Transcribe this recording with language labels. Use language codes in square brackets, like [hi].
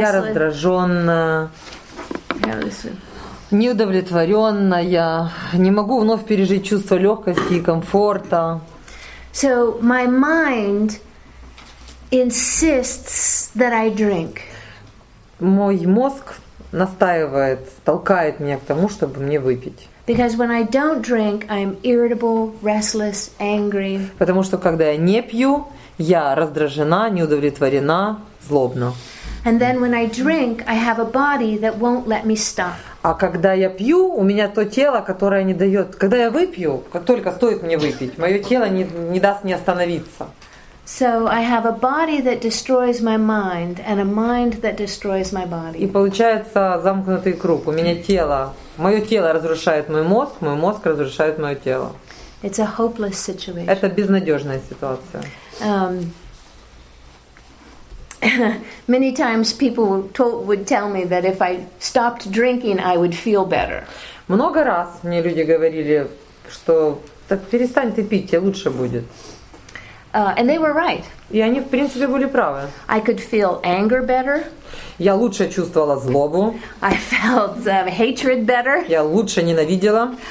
[ru] Я раздражённа, неудовлетворённая, не могу вновь пережить чувство лёгкости и комфорта. [en] So my mind insists that I drink. [ru] Мой мозг настаивает, толкает меня к тому, чтобы мне выпить. [en] Because when I don't drink, I'm irritable, restless, angry. [ru] Потому что когда я не пью, я раздражена, неудовлетворена, злобна. [en] And then when I drink, I have a body that won't let me stop. [ru] А когда я пью, у меня то тело, которое не дает. Когда я выпью, как только стоит мне выпить, мое тело не даст мне остановиться. [en] So I have a body that destroys my mind and a mind that destroys my body. [ru] И получается замкнутый круг. У меня тело, мое тело разрушает мой мозг разрушает мое тело. [en] It's a hopeless situation. [ru] Это безнадежная ситуация. [en] Many times people would tell me that if I stopped drinking, I would feel better. [ru] Много раз мне люди говорили, что так перестань ты пить, тебе лучше будет. [en] And they were right. [ru] И они, в принципе, были правы. [en] I could feel anger better. [ru] Я лучше чувствовала злобу. [en] I felt hatred better. [ru] Я лучше ненавидела.